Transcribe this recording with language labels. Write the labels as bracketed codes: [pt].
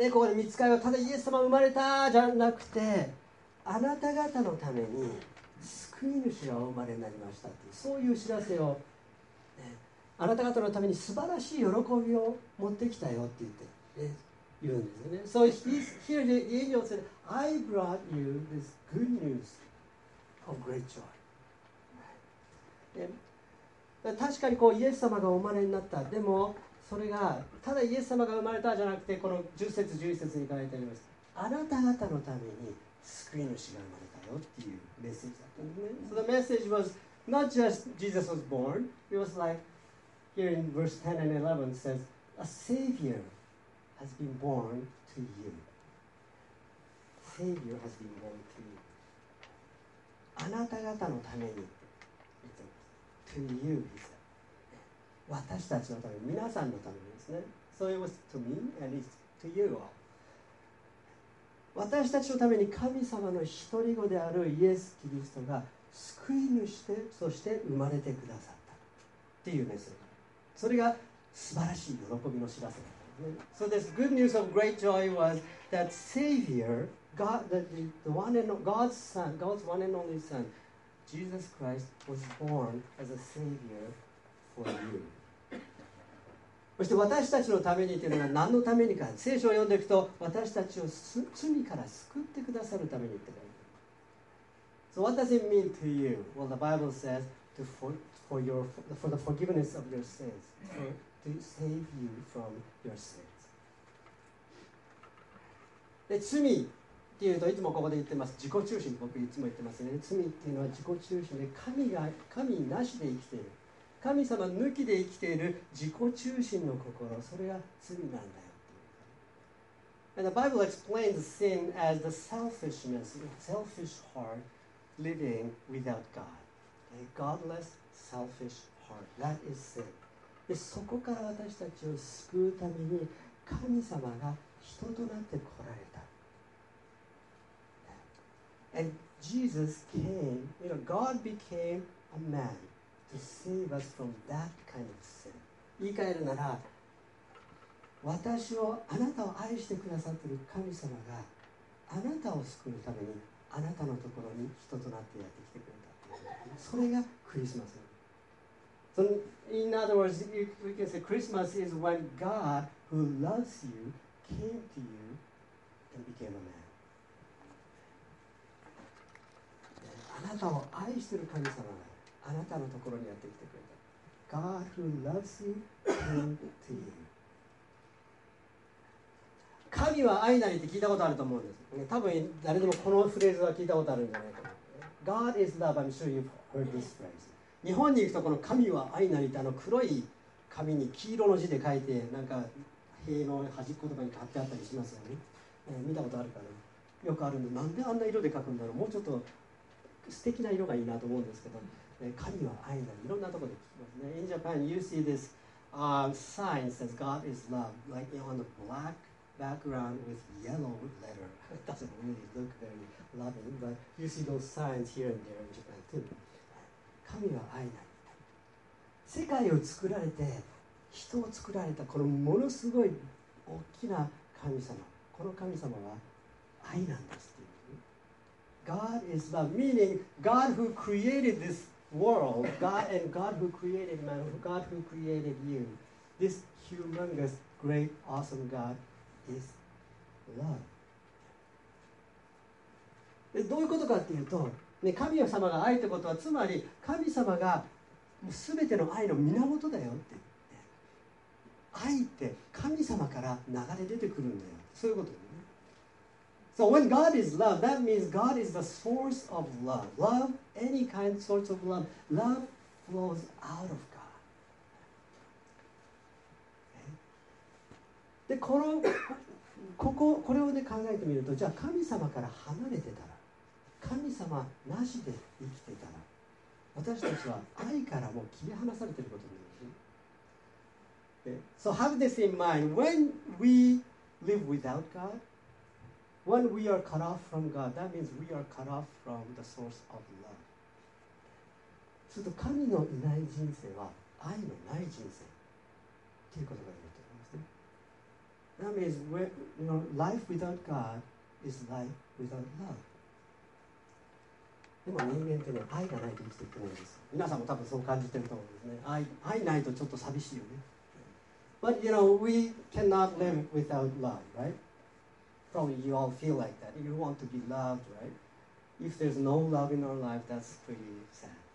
[ja] でここで御使いはただイエス様生まれたじゃなくて、あなた方のために救い主がお生まれになりましたという、そういう知らせを、ね、あなた方のために素晴らしい喜びを持ってきたよって言って、ね、言うんですよね。 [en] So here the angel said, I brought you this good news of great joy. [ja] 確かにこうイエス様がお生まれになった。でもそれがただイエス様が生まれたじゃなくて、この10節11節に書いてあります、あなた方のために救い主が生まれたよっていうメッセージだったんですね。 [en] So the message was not just Jesus was born, it was like here in verse 10 and 11 says a savior has been born to you. Savior has been born to you. [ja] あなた方のために [en] To you, he said. [ja] 私たちのために、皆さんのためにですね。 [en] So it was to me and it's to you all. [ja] 私たちのために神様の一人子であるイエス・キリストが救い主で、そして生まれてくださったっていうメッセージ。それが素晴らしい喜びの知らせだったんですね。 [en] So this good news of great joy was that Savior, God, the one and God's Son, God's one and only Son. Jesus Christ was born as a savior for you. [ja] そして私たちのためにというのは何のためにか、聖書を読んでいくと、私たちを罪から救ってくださるためにって書いてある。 [en] So what does it mean to you? Well, the Bible says to for the forgiveness of your sins, to save you from your sins. [ja] で、罪っていうといつもここで言ってます、自己中心、僕いつも言ってますね。罪っていうのは自己中心で、神なしで生きている、神様抜きで生きている自己中心の心、それが罪なんだよ。 [en] And the Bible explains sin as the selfishness, the selfish heart living without God. A godless, selfish heart. That is sin. [ja] で、そこから私たちを救うために神様が人となって来られた。 [en] And Jesus came, you know, God became a man to save us from that kind of sin. [ja] 言い換えるなら、私を、あなたを愛してくださっている神様が、あなたを救うために、あなたのところに人となってやってきてくれた。それがクリスマス。 [en] So in other words, we can say Christmas is when God, who loves you, came to you and became a man. [ja] あなたを愛している神様があなたのところにやってきてくれた。 [en] God who loves you came to you. [ja] 神は愛なりって聞いたことあると思うんです。多分誰でもこのフレーズは聞いたことあるんじゃないかな。 [en] God is love, I'm sure you've heard this phrase. [ja] 日本に行くとこの神は愛なりってあの黒い紙に黄色の字で書いて、なんか塀の端っことかに貼ってあったりしますよね。見たことあるかな。よくあるんで、なんであんな色で書くんだろう。もうちょっと素敵な色がいいなと思うんですけど、神は愛なり、いろんなところで聞きますね。 [en] In Japan, you see this sign says God is love, like on a black background with yellow letter. It doesn't really look very loving, but you see those signs here and there in Japan too. [ja] 神は愛なり。世界を作られて、人を作られた、このものすごい大きな神様、この神様は愛なんです。 [en] God is love, meaning God who created this world, God and God who created man, God who created you, this humongous, great, awesome God is love. [ja] でどういうことかっていうと、ね、神様が愛ってことは、つまり神様がもう全ての愛の源だよって、ね。愛って神様から流れ出てくるんだよ。そういうことね。 [en] So when God is love, that means God is the source of love. Love, any kind, sorts of love. Love flows out of God. [ja] で、これをね、考えてみると、じゃあ神様から離れてたら、神様なしで生きてたら、私たちは愛からもう切り離されてることになるし。 [en] So have this in mind. When we live without God,When we are cut off from God, that means we are cut off from the source of love. [ja] すると神のいない人生は愛のない人生ということが言えると思いますね。 [en] That means when, you know, life without God is life without love. [ja] でも人間ってね、愛がないと生きていけないんです。皆さんも多分そう感じてると思うんですね。愛ないとちょっと寂しいよね。 [en] But you know, we cannot live without love, right? Probably you all feel like that. You want to be loved, right? If there's no love in our life, that's pretty sad.